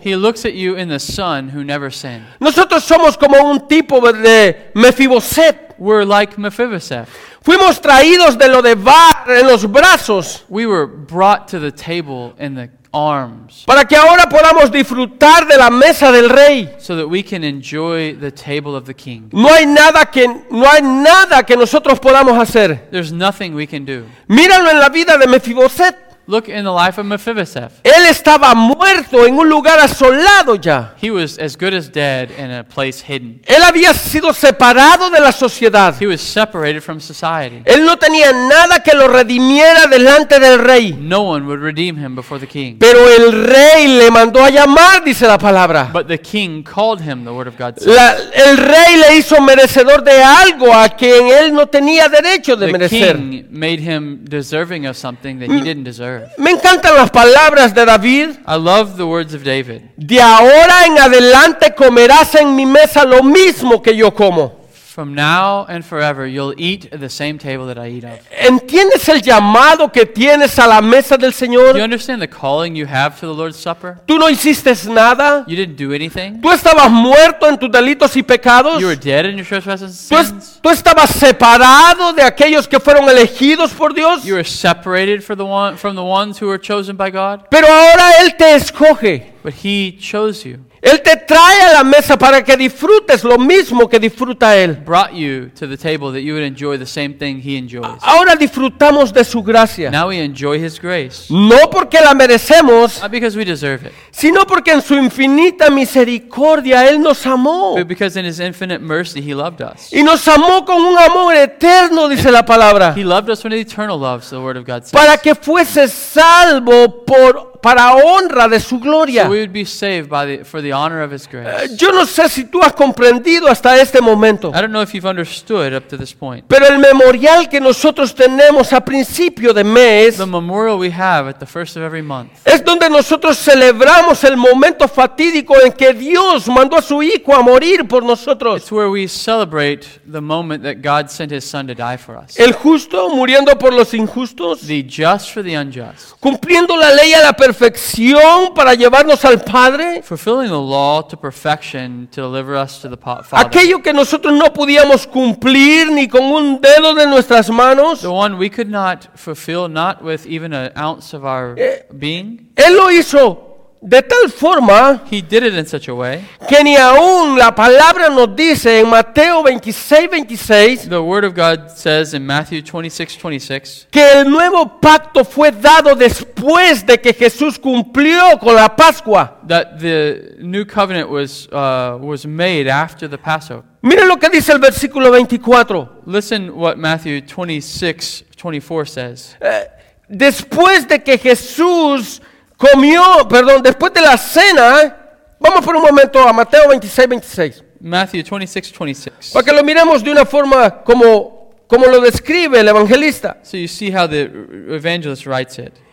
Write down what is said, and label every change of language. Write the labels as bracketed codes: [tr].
[en] He looks at you in the Son who never sinned. [es] Nosotros somos como un tipo de Mefiboset. [en] We're like Mephibosheth. [es] Fuimos traídos de Lodebar en los brazos. [en] We were brought to the table in the arms. [es] Para que ahora podamos disfrutar de la mesa del rey. [en] So that we can enjoy the table of the king. [es] No hay nada que nosotros podamos hacer. [en] There's nothing we can do. [es] Míralo en la vida de Mefiboset. [en] Look in the life of Mephibosheth. [es] Él estaba muerto en un lugar asolado ya. [en] He was as good as dead in a place hidden. [es] Él había sido separado de la sociedad. [en] He was separated from society. [es] Él no tenía nada que lo redimiera delante del rey. [en] No one would redeem him before the king. [es] Pero el rey le mandó a llamar, dice la palabra. [en] But the king called him, the word of God says. [es] El rey le hizo merecedor de algo a quien él no tenía derecho de merecer. [en] The king made him deserving of something that he didn't deserve. [es] Me encantan las palabras de David. [en] I love the words of David. [es] De ahora en adelante comerás en mi mesa lo mismo que yo como. [en] From now and forever, you'll eat at the same table that I eat of. [es] ¿Entiendes el llamado que tienes a la mesa del Señor? [en] Do you understand the calling you have to the Lord's Supper? [es] ¿Tú no hiciste nada? [en] You didn't do anything? [es] ¿Tú estabas muerto en tus delitos y pecados? [en] You were dead in your trespasses and sins? [es] ¿Tú estabas separado de aquellos que fueron elegidos por Dios? [en] You were separated from the ones who were chosen by God? [es] Pero ahora Él te escoge. [en] But He chose you. [es] Él te trae a la mesa para que disfrutes lo mismo que disfruta Él. [en] Brought you to the table that you would enjoy the same thing He enjoys. [es] Ahora disfrutamos de su gracia. [en] Now we enjoy His grace. [es] No porque la merecemos. [en] Not because we deserve it. [es] Sino porque en su infinita misericordia Él nos amó. [en] But because in His infinite mercy He loved us. [es] Y nos amó con un amor eterno, dice la palabra. [en] He loved us with an eternal love, so the word of God says. [es] Para que fuese salvo por para honra de su gloria. [en] So we would be saved by for the honor of His grace. [es] Yo no sé si tú has comprendido hasta este momento. [en] I don't know if you've understood up to this point. [es] Pero el memorial que nosotros tenemos a principio de mes. [en] The memorial we have at the first of every month. [es] Es donde nosotros celebramos el momento fatídico en que Dios mandó a su hijo a morir por nosotros. [en] It's where we celebrate the moment that God sent His Son to die for us. [es] El justo muriendo por los injustos. [en] The just for the unjust. [es] Cumpliendo la ley a la perfección para llevarnos al Padre. [en] Fulfilling the law to perfection to deliver us to the Father. [es] Aquello que nosotros no podíamos cumplir ni con un dedo de nuestras manos. [en] The one we could not fulfill, not with even an ounce of our being. [es] Él lo hizo de tal forma. [en] He did it in such a way. [es] Que ni aún la palabra nos dice en Mateo 26:26. [en] The word of God says in Matthew 26:26. [es] Que el nuevo pacto fue dado después de que Jesús cumplió con la Pascua. [en] That the new covenant was made after the Passover. [es] Miren lo que dice el versículo 24. [en] Listen what Matthew 26:24 says. [es] Después de que Jesús comió, perdón, después de la cena, vamos por un momento a Mateo 26:26. [en] Matthew 26:26. [es] Para que lo miremos de una forma como lo describe el evangelista. [en] So you see how the evangelist writes it.